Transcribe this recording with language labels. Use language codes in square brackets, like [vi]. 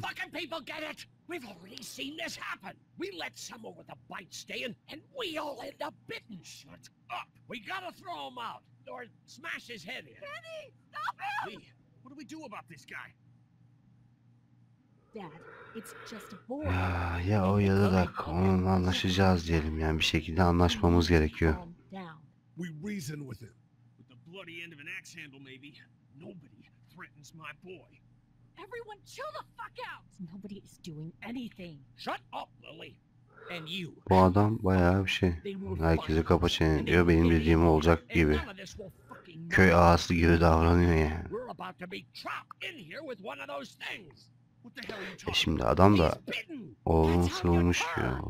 [en] Two fucking people get it. We've already seen this happen. We let someone with a bite stay in, and we all end up bitten. Shut up. We gotta throw him out or smash his head in. Kenny, stop him! Hey, what do we do about this guy? Dad, it's just a boy. [tr] Ya o ya da da onunla anlaşacağız diyelim. Yani bir şekilde anlaşmamız gerekiyor. [en] We reason with him. With the bloody end of an axe handle, maybe. Nobody threatens my boy. Everyone chill the fuck out. Nobody is doing anything. Shut up, Lily. And you. [tr] Bu adam bayağı bir şey. Herkese kapa çeniyor. Benim bildiğim olacak gibi. Köy ağası gibi davranıyor ya. [en] We're about to be trapped in here with one of those things. What the hell are you talking? [tr] Şimdi adam da oğlum ısırılmış diyor.